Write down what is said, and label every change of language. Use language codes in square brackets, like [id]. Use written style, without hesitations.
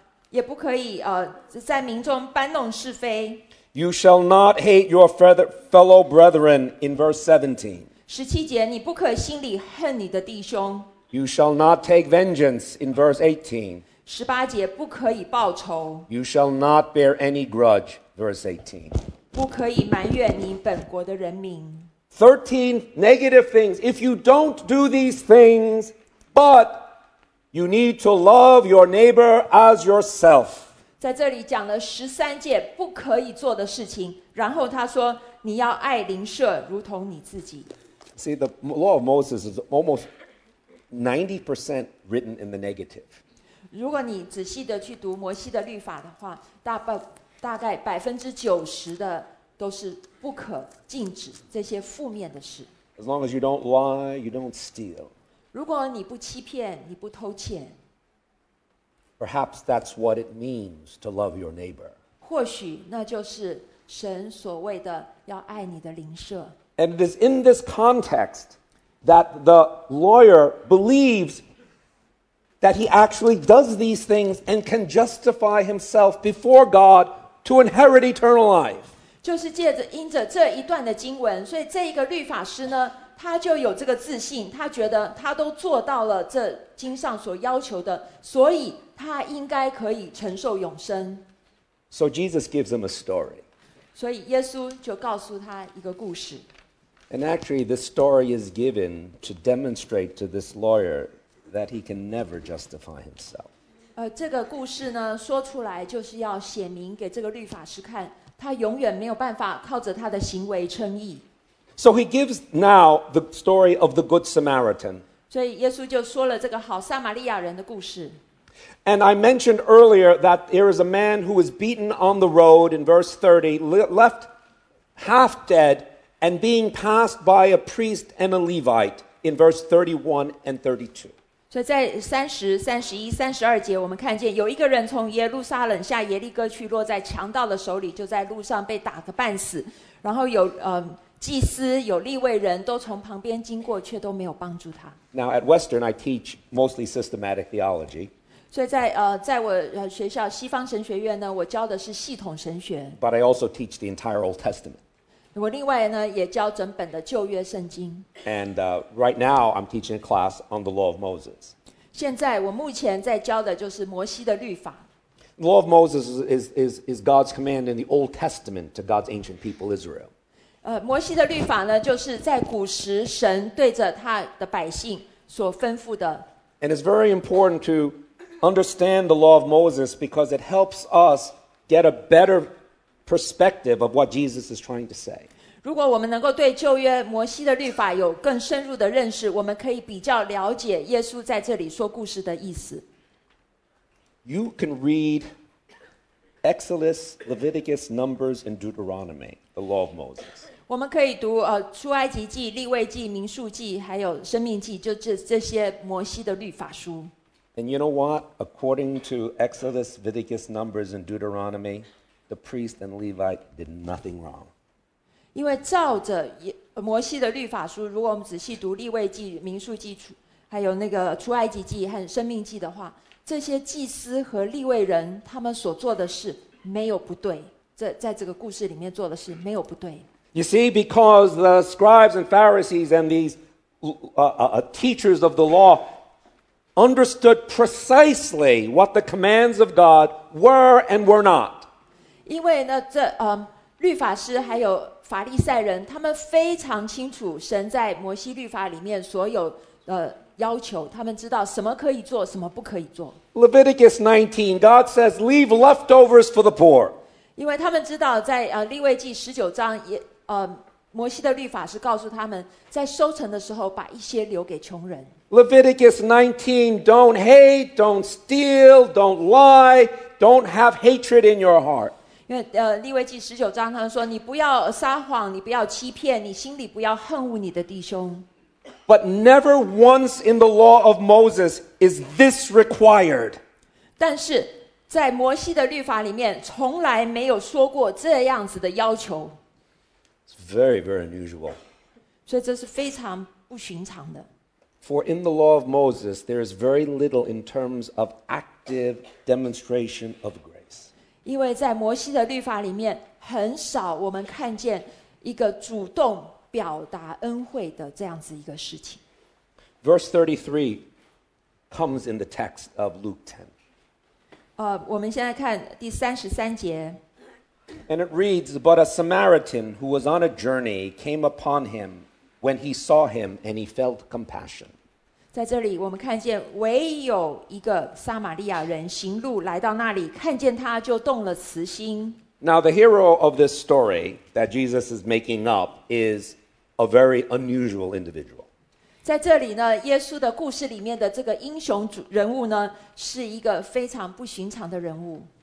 [zh] 也不可以在民众搬弄是非。 [en] You shall not hate your fellow brethren in verse 17. [zh] 十七节，你不可心里恨你的弟兄。 [en] You shall not take vengeance in verse 18. [zh] 十八节，不可以报仇。 [en] You shall not bear any grudge, verse 18. [zh] 不可以埋怨你本国的人民。 [en] 13 negative things. If you don't do these things, but... You need to love your neighbor as yourself. [zh] 在这里讲了十三件不可以做的事情，然后他说你要爱邻舍如同你自己。 [en] See, the law of Moses is almost 90% written in the negative. [zh] 如果你仔细的去读摩西的律法的话，大概90%的都是不可禁止这些负面的事。 [en] As long as you don't lie, you don't steal. [zh] 如果你不欺骗，你不偷钱。 [en] Perhaps that's what it means to love your neighbor. [zh] 或许那就是神所谓的要爱你的邻舍。 [en] And it is in this context that the lawyer believes that he actually does these things and can justify himself before God to inherit eternal life. [zh] 就是因着这一段的经文，所以这一个律法师呢，他就有这个自信，他觉得他都做到了这经上所要求的，所以他应该可以承受永生。 [en] So Jesus gives him a story. [zh] 所以耶稣就告诉他一个故事。 [en] And actually, this story is given to demonstrate to this lawyer that he can never justify himself. [zh] 这个故事呢，说出来就是要显明给这个律法师看，他永远没有办法靠着他的行为称义。 [en] So he gives now the story of the Good Samaritan. [zh] 所以耶稣就说了这个好撒玛利亚人的故事。 [en] And I mentioned earlier that there is a man who was beaten on the road in verse 30, left half dead and being passed by a priest and a Levite in verse 31 and 32. [zh] 所以在30、31、32节我们看见有一个人从耶路撒冷下耶利哥去落在强盗的手里，就在路上被打个半死，然后有祭司有立位人都从旁边经过，却都没有帮助他。 [en] Now at Western, I teach mostly systematic theology. [zh] 所以在我学校西方神学院呢，我教的是系统神学。 [en] But I also teach the entire Old Testament. [zh] 我另外呢也教整本的旧约圣经。 [en] And right now I'm teaching a class on the Law of Moses. [zh] 现在我目前在教的就是摩西的律法。 [en] The Law of Moses is God's command in the Old Testament to God's ancient people Israel. [zh] 摩西的律法呢，就是在古时神对着他的百姓所吩咐的。 [en] And it's very important to understand the law of Moses because it helps us get a better perspective of what Jesus is trying to say. [zh] 如果我们能够对旧约摩西的律法有更深入的认识，我们可以比较了解耶稣在这里说故事的意思。 [en] You can read Exodus, Leviticus, Numbers, and Deuteronomy, the law of Moses. [zh] 我们可以读出埃及记、利未记、民数记，还有生命记，就这些摩西的律法书。 [en] And you know what? According to Exodus, Leviticus, Numbers, and Deuteronomy, the priest and Levite did nothing wrong. [zh] 因为照着摩西的律法书，如果我们仔细读利未记、民数记，还有那个出埃及记和生命记的话，这些祭司和利未人他们所做的事没有不对，在这个故事里面做的事没有不对。 [en] You see, because the scribes and Pharisees and these teachers of the law understood precisely what the commands of God were and were not. [zh] 因为呢，律法师还有法利赛人，他们非常清楚神在摩西律法里面所有要求，他们知道什么可以做，什么不可以做。 [en] Leviticus 19, God says, "Leave leftovers for the poor." [zh] 因为他们知道在利未记十九章摩西的律法是告诉他们，在收成的时候把一些留给穷人。 [en] Leviticus 19, "Don't hate, don't steal, don't lie, don't have hatred in your heart." [zh] 因为利未记十九章他们说，你不要撒谎，你不要欺骗，你心里不要恨恶你的弟兄。 [en] But never once in the law of Moses is this required. [zh] 但是在摩西的律法里面从来没有说过这样子的要求。 [en] It's very, very unusual. [zh] 所以这是非常不寻常的。 [en] For in the law of Moses, there is very little in terms of active demonstration of grace. [zh] 因为在摩西的律法里面很少我们看见一个主动表达恩惠的这样子一个事情。 [en] Verse 33 comes in the text of Luke 10. [zh] 我们现在看第33节。 [en] And it reads, "But a Samaritan who was on a journey came upon him when he saw him, and he felt compassion." [zh] 在这里，我们看见唯有一个撒玛利亚人行路来到那里，看见他就动了慈心。 [en] Now the hero of this story that Jesus is making up is a very unusual individual. [zh] 在这里呢，耶稣的故事里面的这个英雄人物呢，是一个非常不寻常的人物。